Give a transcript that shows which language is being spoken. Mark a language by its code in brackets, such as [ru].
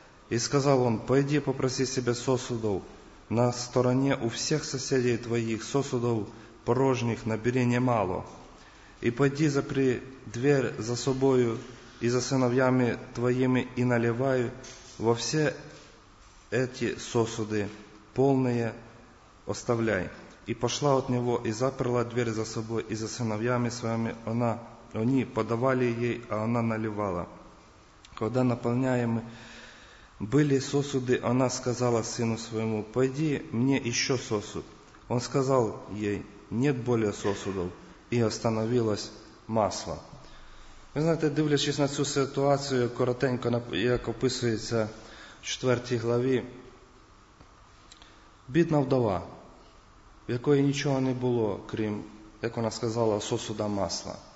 [uk] І сказав он, пойди попроси себе сосудов на стороні у всіх сусідів твоїх, сосудов порожніх набери немало. І пойди запри двір за собою і за синов'ями твоїми і наливай во всі ці сосуди, повні оставляй. [ru] И пошла от него, и заперла дверь за собой, и за сыновьями своими она, они подавали ей, а она наливала. Когда наполняемы были сосуды, она сказала сыну своему, «Пойди мне еще сосуд». Он сказал ей, «Нет более сосудов», и остановилось масло. [uk] Вы знаете, дивлячись на цю ситуацию, коротенько, як описується в 4 главі, бідна вдова, в якої нічого не було, крім, як вона сказала, сосуда масла.